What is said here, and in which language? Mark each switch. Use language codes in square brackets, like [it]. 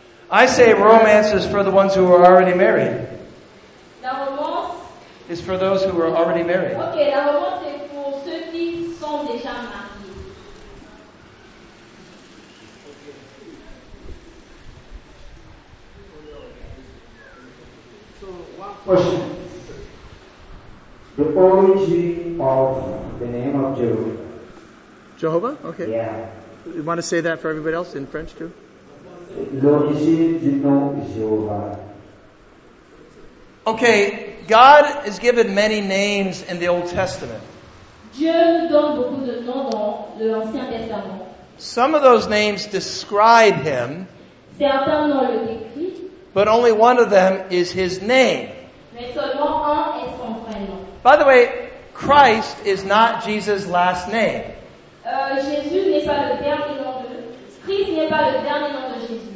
[en] I say romance is for the ones who are already married. [fr] La romance [en] is for those who are already married. [fr] Okay, la romance est pour ceux qui sont déjà mariés. [en] Question. The origin of the name of Jehovah. Jehovah? Okay. Yeah. You want to say that for everybody else in French too? [fr] L'origine du nom Jehovah. Okay. [en] God is given many names in the Old Testament. [fr] Dieu donne beaucoup de noms dans l'Ancien Testament. [en] Some of those names describe him. [fr] Certains noms le décrivent. [en] But only one of them is his name. [fr] Mais seulement un est son prénom. [en] By the way, Christ is not Jesus' last name. [fr] Jésus n'est pas le dernier nom de Christ n'est pas le dernier nom de Jésus.